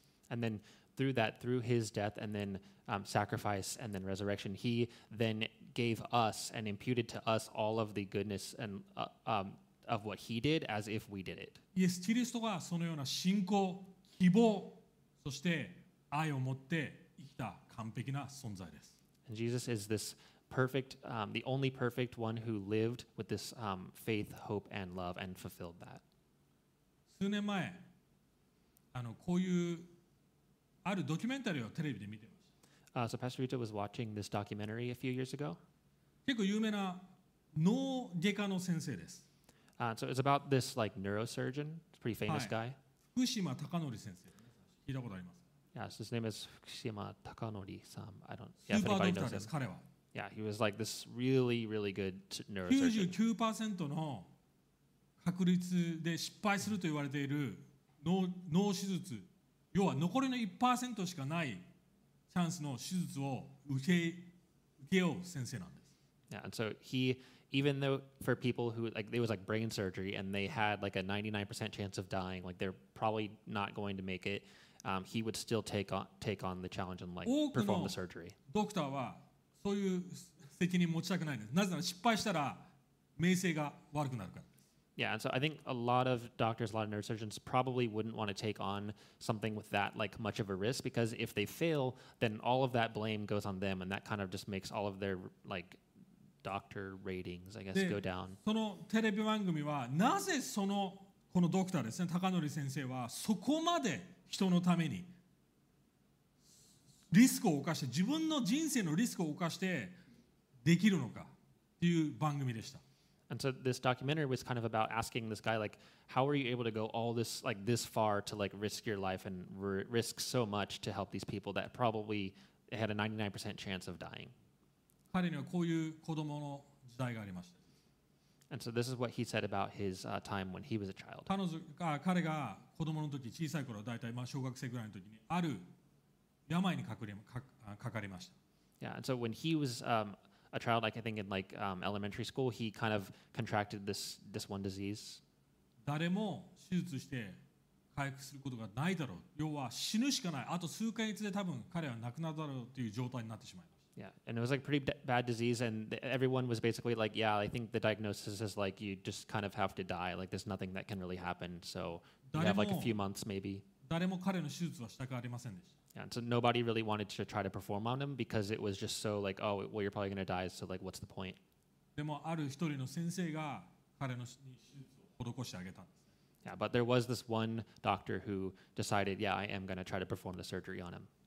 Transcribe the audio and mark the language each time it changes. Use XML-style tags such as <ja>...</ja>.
<en>And then through that, through his death and then sacrifice and then resurrection, he then gave us and imputed to us all of the goodness and of what he did as if we did it.</en> <ja>Yes, Christ がそのような信仰、希望、そして愛を持って生きた完璧な存在です。</ja> <en>And Jesus is this perfect, the only perfect one who lived with this faith, hope, and love and fulfilled that.</en> <ja>数年前、こういうあるドキュメンタリーをテレビで見てました。</ja> <en>So Pastor Rito was watching this documentary a few years ago.</en> <ja>結構有名な脳外科の先生です。</ja> <en>So it's about this like neurosurgeon, pretty famous guy.</en> <ja>福島貴則先生、聞いたことあります。</ja> <en>Yeah, so his name is Fukushima Takanori. If anybody knows him. Yeah, he was like this really, really good neurosurgeon.</en> <ja>99% の確率で失敗すると言われている脳手術、要は残りの 1% しかないチャンスの手術を受けよう先生なんです。</ja> <en>Yeah, and so he, even though for people who, like, it was like brain surgery and they had like a 99% chance of dying, like they're probably not going to make it,he would still take on the challenge and like perform the surgery.</en> <ja>ドクターはそういう責任持ちたくないんです。なぜなら失敗したら名声が悪くなるから。</ja> <en>Yeah, and so I think a lot of doctors, a lot of neurosurgeons probably wouldn't want to take on something with that like much of a risk because if they fail, then all of that blame goes on them and that kind of just makes all of their like doctor ratings, I guess, go down.</en> <ja>そのテレビ番組はなぜそのこのドクターですね、高則先生はそこまで人のためにリスクを犯して自分の人生のリスクを犯してできるのかという番組でした。</ja> <en>And so this documentary was kind of about asking this guy, like, how are you able to go all this, like, this far to, like, risk your life and risk so much to help these people that probably had a 99% chance of dying?</en> <ja>彼にはこういう子供の時代がありました。</ja> <en>And so this is what he said about his time when he was a child.</en> <ja>彼が子供の時、小さい頃、大体、まあ、小学生ぐらいの時に、ある病にかかりました。</ja> <en>Yeah, and so when he was... A child, like I think in like elementary school, he kind of contracted this one disease.</en> <ja>誰も手術して回復することがないだろう。要は死ぬしかない。あと数ヶ月で多分彼は亡くなるだろうという状態になってしまいました。</ja> <en>Yeah, and it was like pretty bad disease, and everyone was basically like, yeah, I think the diagnosis is like you just kind of have to die. Like there's nothing that can really happen. So you have like a few months maybe.</en> <ja>誰も彼の手術はしたくありませんでした。</ja> <en>Yeah, and so nobody really wanted to try to perform on him because it was just so like, oh, well, you're probably going to die, so like, what's the point? Yeah, but there was this one doctor who decided, yeah, I am going to try to perform the surgery on him.</en>